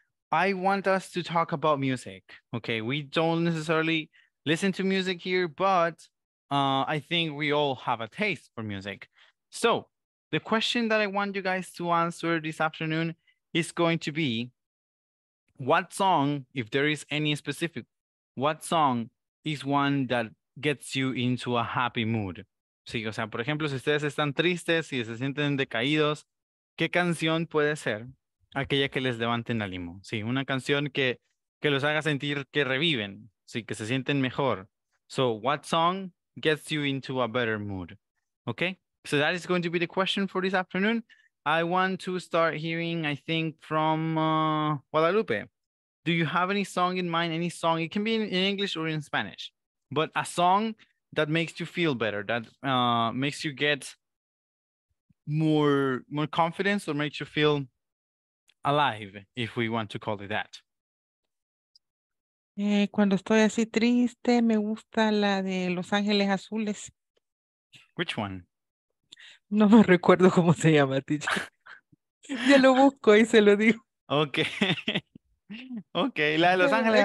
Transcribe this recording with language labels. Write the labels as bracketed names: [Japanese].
[English] I want us to talk about music. Okay, we don't necessarily listen to music here, but I think we all have a taste for music. So the question that I want you guys to answer this afternoon is going to be, what song, if there is any specific, what song is one that gets you into a happy mood? [Spanish] Sí, o sea, por ejemplo, si ustedes están tristes, si se sienten decaídos, ¿qué canción puede ser aquella que les levanten el ánimo? Sí, una canción que los haga sentir que reviven, sí, que se sienten mejor. [English] So, what song gets you into a better mood? Okay, so that is going to be the question for this afternoon. I want to start hearing, I think, from Guadalupe. Do you have any song in mind? Any song? It can be in English or in Spanish. But a song that makes you feel better, that makes you get more confidence, or makes you feel alive, if we want to call it that. [Spanish] Cuando estoy así triste, me gusta la de Los Ángeles Azules. [English] Which one? [Spanish] No me recuerdo cómo se llama, teacher. Ya lo busco y se lo digo. Okay. Okay, la de Los Ángeles